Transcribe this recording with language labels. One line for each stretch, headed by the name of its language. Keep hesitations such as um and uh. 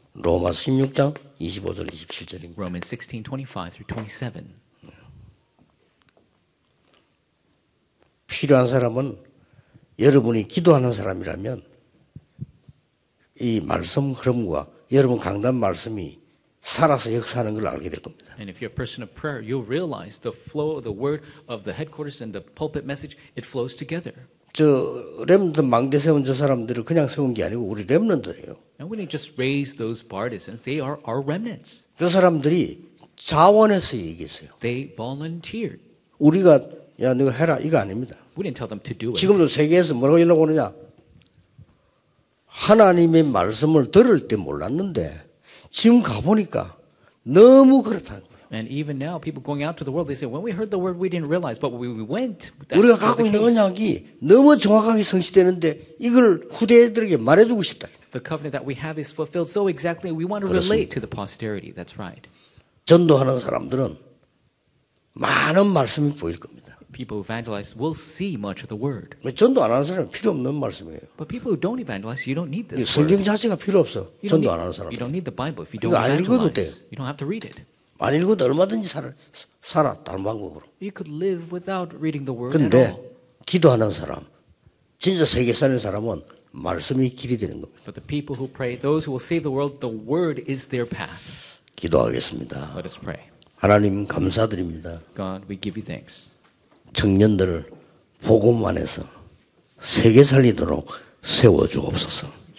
Korean: 로마 16장 25절 27절입니다.
English: Roman 16:25 through 27.
Korean: 필요한 사람은 여러분이 기도하는 사람이라면 이 말씀 흐름과 여러분 강단 말씀이 살아서 역사하는 걸 알게 될 겁니다.
English: And if you're a person of prayer, you'll realize the flow of the word of the headquarters and the pulpit message it flows together.
Korean: 저 렘넌트 망대 세운 저 사람들을 그냥 세운 게 아니고 우리 렘넌트예요.
English: And we just raise those partisans. They are our remnants.
Korean: 저 사람들이 자원해서 얘기했어요.
English: They volunteered.
Korean: 우리가 야 너가 해라 이거 아닙니다.
English: We didn't tell them to do it.
Korean: 지금도 세계에서 뭐라고 연락 오느냐? 하나님의 말씀을 들을 때 몰랐는데 지금 가 보니까 너무 그렇다는 거예요.
English: And even now people going out to the world they say when we heard the word we didn't realize but we went that
Korean: 우리가 갖고 있는 언약이 너무 정확하게 성취되는데 이걸 후대들에게 말해 주고 싶다.
English: The covenant that we have is fulfilled so exactly we want to relate
Korean: 그렇습니다.
English: to the posterity. That's right.
Korean: 전도하는 사람들은 많은 말씀이 보일 겁니다.
English: people who evangelize will see much of the word. But people who don't evangelize, you don't need this.
Korean: 성경 자체가 필요 없어. 전도 안 하는 사람.
English: You don't need the Bible if you don't evangelize. You don't have to read it.
Korean: 안 읽어도 얼마든지 살아, 살아 다른 방법으로.
English: You could live without reading the word.
Korean: 근데 기도하는 사람, 진짜 세계 사는 사람은 말씀이 길이 되는 겁니다.
English: But the people who pray, those who will save the world, the word is their path.
Korean: 기도하겠습니다.
English: Let us pray. 하나님
Korean: 감사드립니다.
English: God, we give you thanks.
Korean: 청년들을 복음 안에서 세계 살리도록 세워 주옵소서.